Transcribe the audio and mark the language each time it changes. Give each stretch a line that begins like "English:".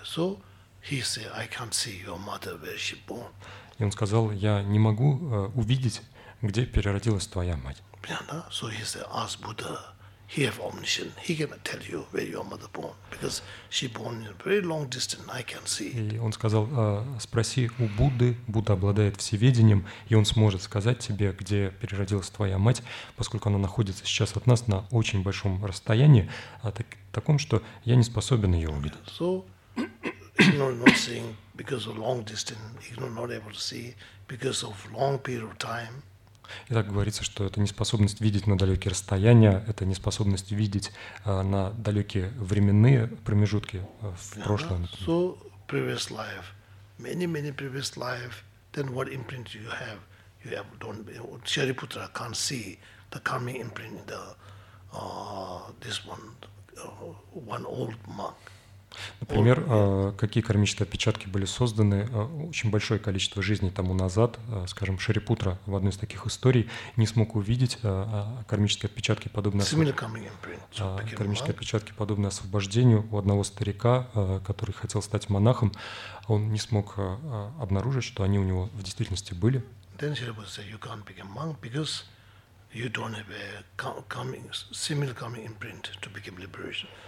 English: So he said, I can't see your mother where she born.
Russian: И он сказал, я не могу увидеть, где переродилась твоя мать?
English: Yeah,
Russian: да?
English: So he said, ask Buddha, he have omniscient, he can tell you where your mother born, because she born in a very long distance, I can see.
Russian: И он сказал, спроси у Будды, Будда обладает всеведением, и он сможет сказать тебе, где переродилась твоя мать, поскольку она находится сейчас от нас на очень большом расстоянии, таком, что я не способен ее увидеть.
English: So, ignore not seeing because of long distance, ignore not able to see because of long period of time.
Russian: Итак, говорится, что это неспособность видеть на далекие расстояния, это неспособность видеть на далекие временные промежутки в прошлом.
English: Yeah, so previous life, many many previous life, then what imprint you have? You have don't Shariputra can't see the coming imprint in the this one one old monk.
Russian: Например, какие кармические отпечатки были созданы очень большое количество жизней тому назад, скажем, Шарипутра в одной из таких историй не смог увидеть кармические отпечатки, подобные освобождению у одного старика, который хотел стать монахом, он не смог обнаружить, что они у него в действительности были.
English: Then Shariputra said, you can't become a monk because you don't have a coming, similar coming imprint to become liberation.